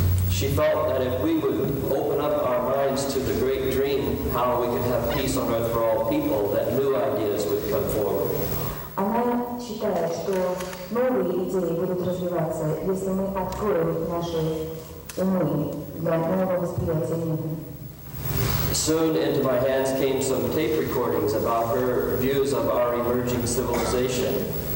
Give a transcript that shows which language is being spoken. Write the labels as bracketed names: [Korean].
[English] She felt that if we would open up our minds to the great dream, how we could have peace on earth for all people, that new ideas would come forward. [Russian] Она считает, что новые идеи будут развиваться, если мы откроем наши умы для нового восприятия мира. [English] Soon into my hands came some tape recordings about her views of our emerging civilization.